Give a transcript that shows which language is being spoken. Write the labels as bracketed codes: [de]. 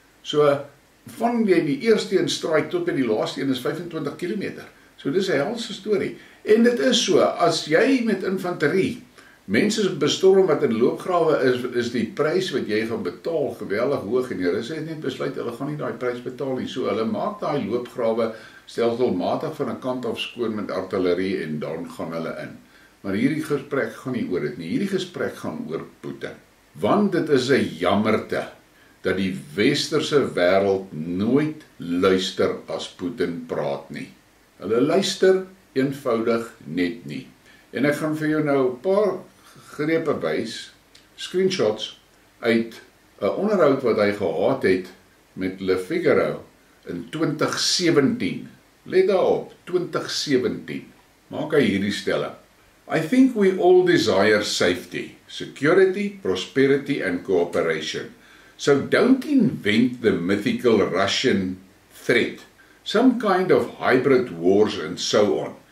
[af] So van die eerste een straai tot by die laaste een is 25 kilometer. So dis 'n helse storie. En dit is so, as jy met infanterie mense bestorm wat in loopgrawe is, is die prys wat jy gaan betaal geweldig hoog en die Russe het net besluit hulle gaan nie daai prys betaal nie. So hulle maak daai loopgrawe stelselmatig van 'n kant af skoon met artillerie en dan gaan hulle in. Maar hierdie gesprek gaan nie oor dit nie. Hierdie gesprek gaan oor Putin. Want dit is 'n jammerte dat die westerse wêreld nooit luister as Putin praat nie. Hulle luister eenvoudig net nie. En ek gaan vir jou nou 'n paar grepe wys, screenshots uit 'n onderhoud wat hy gehad het met Le Figaro in 2017. Let daarop, 2017. Maak hy hierdie stelling. [en] I think we all desire safety, security, prosperity and cooperation. So don't invent the mythical Russian threat, some kind of hybrid wars and so on.